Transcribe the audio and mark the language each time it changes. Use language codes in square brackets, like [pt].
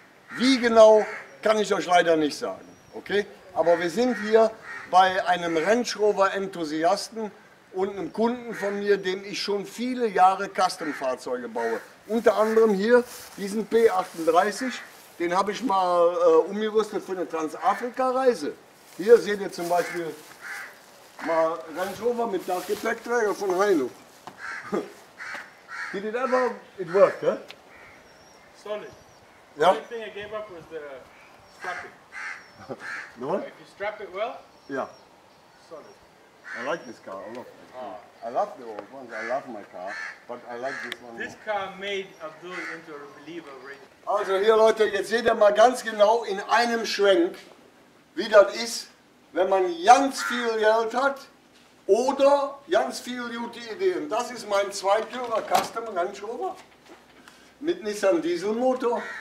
[de] Wie genau, kann ich euch leider nicht sagen, okay? Aber wir sind hier bei einem Range Rover Enthusiasten und einem Kunden von mir, dem ich schon viele Jahre Custom-Fahrzeuge baue. Unter anderem hier diesen P38, den habe ich mal umgerüstet für eine Transafrika-Reise. Hier seht ihr zum Beispiel mal Range Rover mit Dachgepäckträger von Heino. [en] Did it ever, it worked, eh? Solid. Yeah. The only thing I gave up was the strapping. No? So if you strap it well, yeah. Solid. I like this car a lot. I love the old ones, I love my car, but I like this one. This car made Abdul into a believer already. [de] Also hier Leute, jetzt seht ihr mal ganz genau in einem Schwenk, wie das ist, wenn man ganz viel Geld hat. Oder ganz viele gute Ideen. Das ist mein Zweitürer Custom Range Rover mit Nissan Dieselmotor.